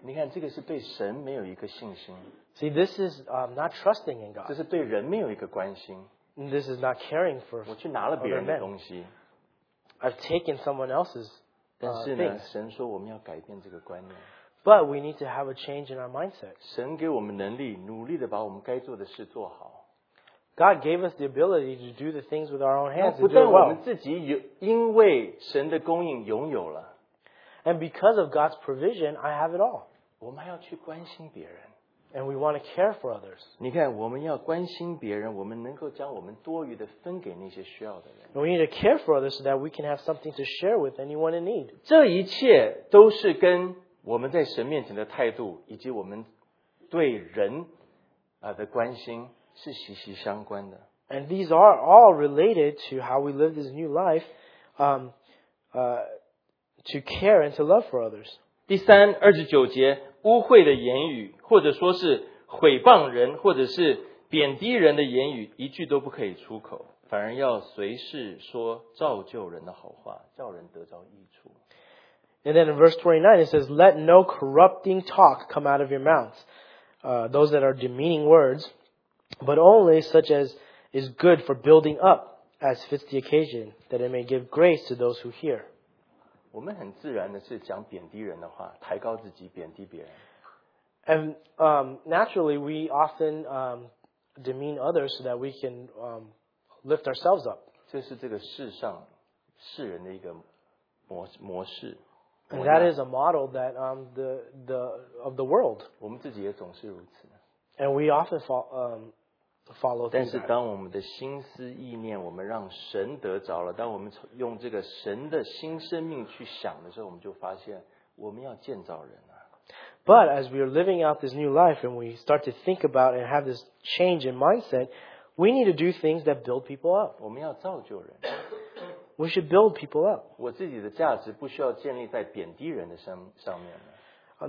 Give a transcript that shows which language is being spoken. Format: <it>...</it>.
<zh>你看，这个是对神没有一个信心。</zh> <en>See, this is not trusting in God.</en> <zh>这是对人没有一个关心。</zh> <en>This is not caring for.</en> <zh>我去拿了别人的东西。</zh> <en>I've taken someone else's.</en> <zh>但是呢，神说我们要改变这个观念。</zh> <en>But we need to have a change in our mindset.</en> <zh>神给我们能力，努力的把我们该做的事做好。</zh> <en>God gave us the ability to do the things with our own hands.</en> <zh>不但我们自己有，因为神的供应拥有了。</zh> <en>And because of God's provision, I have it all.</en> <zh>我们还要去关心别人。</zh> <en>And we want to care for others.</en> <zh>你看，我们要关心别人，我们能够将我们多余的分给那些需要的人。</zh> <en>We need to care for others so that we can have something to share with anyone in need.</en> <zh>这一切都是跟我们在神面前的态度，以及我们对人的关心。是息息相关的。</zh> <en>And these are all related to how we live this new life, to care and to love for others.</en> <zh>第三，二十九节，污秽的言语，或者说是毁谤人，或者是贬低人的言语，一句都不可以出口，反而要随时说造就人的好话，叫人得着益处。</zh> <en>And then in verse 29, it says, "Let no corrupting talk come out of your mouths, those that are demeaning words." But only such as is good for building up, as fits the occasion, that it may give grace to those who hear.</en> <zh>我们很自然的是讲贬低人的话，抬高自己，贬低别人。</zh> <en>And naturally, we often demean others so that we can lift ourselves up.</en> <zh>这是这个世上世人的一个模式。</zh> <en>And that is a model that of the world.</en> <zh>我们自己也总是如此。</zh> <en>And we often follow that.</en> <zh>但是当我们的心思意念，我们让神得着了，当我们用这个神的新生命去想的时候，我们就发现我们要建造人啊。</zh> <en>But as we are living out this new life and we start to think about and have this change in mindset, we need to do things that build people up.</en> <zh>我们要造就人。</zh> <en>We should build people up.</en> <zh>我自己的价值不需要建立在贬低人的上面呢。</zh>